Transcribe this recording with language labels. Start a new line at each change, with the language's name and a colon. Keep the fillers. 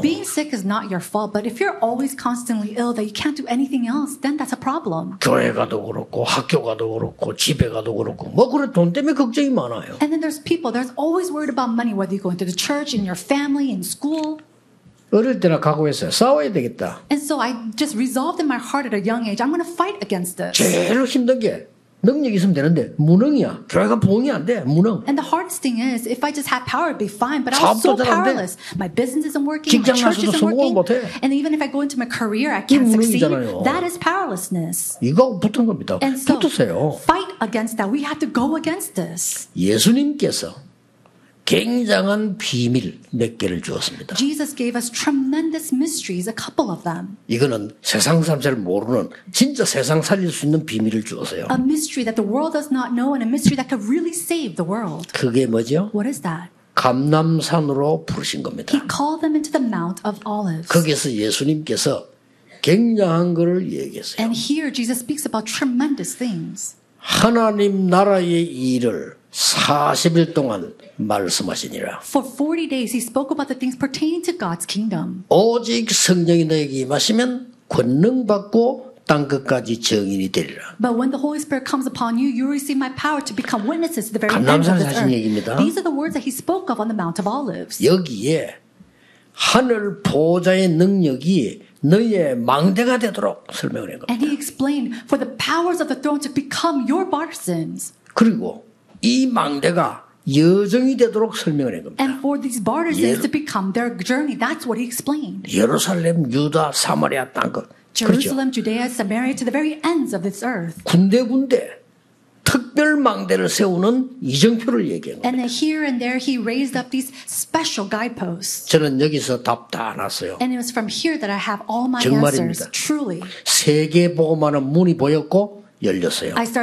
English: Being sick is not your fault, but if you're always constantly ill that you can't do anything else, then that's a problem.
Korean: 교회 가도 그렇고 학교 가도 그렇고 집에 가도 그렇고 뭐 그런 돈 때문에 걱정이 많아요.
English: And then there's people that's always worried about money, whether you go into the church, in your family, in school.
Korean: 어릴 때나 각오했어요. 싸워야 되겠다.
English: And so I just resolved in my heart at a young age, I'm going to fight against this.
Korean: 제일 힘든 게. 능력 있으면 되는데 무능이야. 교회가 부흥이 안 돼. 무능.
English: And the hardest thing is if I just have power it'd be fine but I'm so powerless. My business isn't working. My church isn't working.
Korean: 못해.
English: And even if I go into my career I can't succeed. That is powerlessness.
Korean: 이거 붙은 겁니다.
English: And
Korean: 붙으세요.
English: So fight against that. We have to go against this.
Korean: 예수님께서 굉장한 비밀 몇 개를 주었습니다.
English: Jesus gave us tremendous mysteries, a couple of them.
Korean: 이거는 세상 사람들 모르는 진짜 세상 살릴 수 있는 비밀을 주었어요.
English: A mystery that the world does not know and a mystery that could really save the world.
Korean: 그게 뭐죠?
English: What is that?
Korean: 감람산으로 부르신 겁니다.
English: He called them into the Mount of Olives.
Korean: 거기서 예수님께서 굉장한 것을 얘기했어요.
English: And here Jesus speaks about tremendous things.
Korean: 하나님 나라의 일을 40일 동안 말씀하시니라.
English: For 40 days he spoke about the things pertaining to God's kingdom.
Korean: 오직 성령이 너에게 임하시면 권능 받고 땅 끝까지 증인이 되리라.
English: But when the Holy Spirit comes upon you, you receive my power to become witnesses to the very end of this earth.
Korean: 얘기입니다.
English: These are the words that he spoke of on the Mount of Olives.
Korean: 여기에 하늘 보좌의 능력이 너의 망대가 되도록 설명을 한 겁니다.
English: And he explained for the powers of the throne to become your partisans.
Korean: 그리고 이 망대가 여정이 되도록 설명을 한 겁니다.
English: And for these barter things to become their journey, that's what he explained.
Korean: 예루살렘, 유다, 사마리아 땅 것. Jerusalem, 그렇죠?
English: Judea, Samaria to the very ends of this earth.
Korean: 군대 군대 특별 망대를 세우는 이정표를 얘기한 겁니다.
English: And here and there he raised up these special guideposts.
Korean: 저는 여기서 답 다 안았어요.
English: And it was from here that I have all my
Korean: 정말입니다.
English: answers. Truly.
Korean: 세계 보고만은 문이 보였고. 열렸어요.